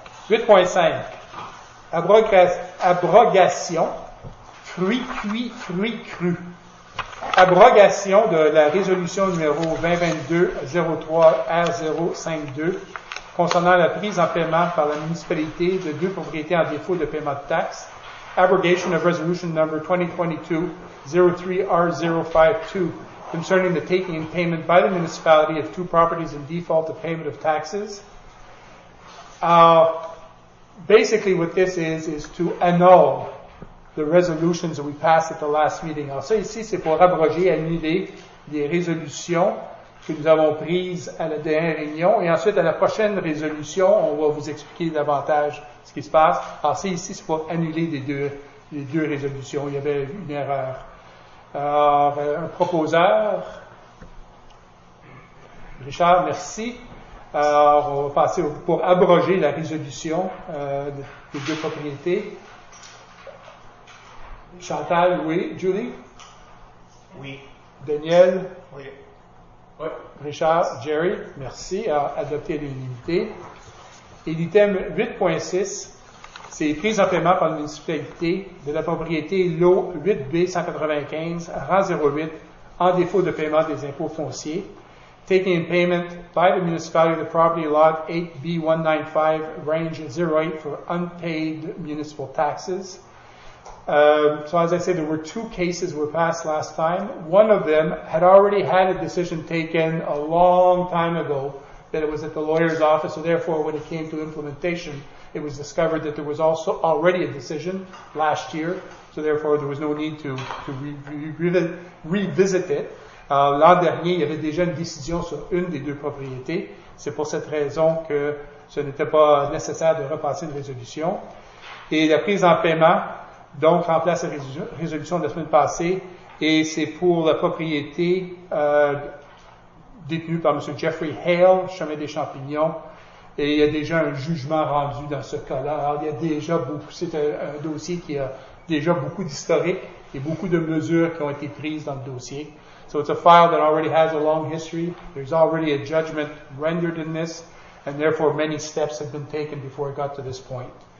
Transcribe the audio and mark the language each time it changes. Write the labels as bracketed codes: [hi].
[fr] 8.5. Abrogation. Fruit cuit, fruit cru. abrogation de la résolution numéro 2022-03-R052 concernant la prise en paiement par la municipalité de deux propriétés en défaut de paiement de taxes. [en] Abrogation of resolution number 2022-03-R052 concerning the taking and payment by the municipality of two properties in default of payment of taxes. Basically what this is to annul the resolutions that we passed at the last meeting. [fr] Alors ça ici, c'est pour abroger, annuler les résolutions que nous avons prises à la dernière réunion. Et ensuite, à la prochaine résolution, on va vous expliquer davantage ce qui se passe. Alors ça ici, c'est pour annuler les deux résolutions. Il y avait une erreur. Alors, un proposeur. Richard, merci. Alors, on va passer pour abroger la résolution des deux propriétés. Chantal, oui. Julie? Oui. Daniel? Oui. Oui. Richard, Jerry, merci. Adopté à l'unanimité. Et l'item 8.6, c'est prise en paiement par la municipalité de la propriété lot 8B195, rang 08, en défaut de paiement des impôts fonciers. [en] Taking payment by the municipality of the property lot 8B195, range 08, for unpaid municipal taxes. So as I said, there were two cases were passed last time. One of them had already had a decision taken a long time ago that it was at the lawyer's office, so therefore when it came to implementation, it was discovered that there was also already a decision last year, so therefore there was no need to revisit it. [fr] L'an dernier, il y avait déjà une décision sur une des deux propriétés. C'est pour cette raison que ce n'était pas nécessaire de repasser une résolution. Et la prise en paiement, donc, remplace la résolution de la semaine passée. Et c'est pour la propriété détenue par M. Jeffrey Hale, Chemin des Champignons. Et il y a déjà un jugement rendu dans ce cas-là. Alors, il y a déjà beaucoup, c'est un dossier qui a déjà beaucoup d'historique et beaucoup de mesures qui ont été prises dans le dossier. [en] So it's a file that already has a long history. There's already a judgment rendered in this, and therefore many steps have been taken before it got to this point.